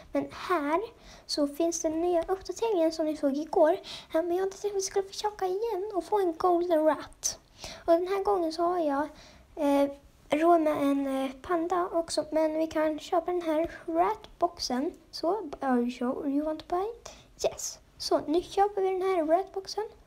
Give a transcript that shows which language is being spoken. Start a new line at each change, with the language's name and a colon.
Swedish: Men här så finns den nya uppdateringen som ni såg igår. Men jag tänkte att vi skulle försöka igen och få en golden rat. Och den här gången så har jag råd med en panda också, men vi kan köpa den här ratboxen.
English: Så, are you sure you want to buy it? Yes!
Swedish: Så, nu köper vi den här ratboxen.